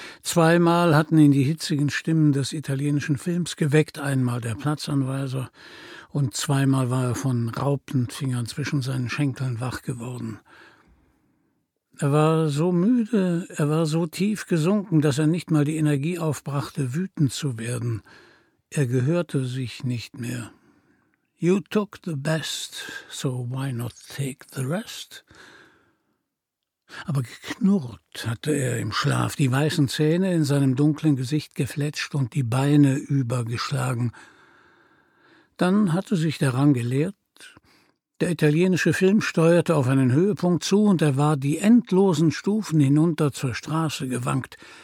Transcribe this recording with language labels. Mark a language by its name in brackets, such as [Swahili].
[German] Zweimal hatten ihn die hitzigen Stimmen des italienischen Films geweckt, einmal der Platzanweiser und zweimal war er von Raupenfingern zwischen seinen Schenkeln wach geworden. Er war so müde, er war so tief gesunken, dass er nicht mal die Energie aufbrachte, wütend zu werden. Er gehörte sich nicht mehr. [English] You took the best, so why not take the rest? [German] Aber geknurrt hatte er im Schlaf, die weißen Zähne in seinem dunklen Gesicht gefletscht und die Beine übergeschlagen. Dann hatte sich der Rang geleert. Der italienische Film steuerte auf einen Höhepunkt zu und er war die endlosen Stufen hinunter zur Straße gewankt.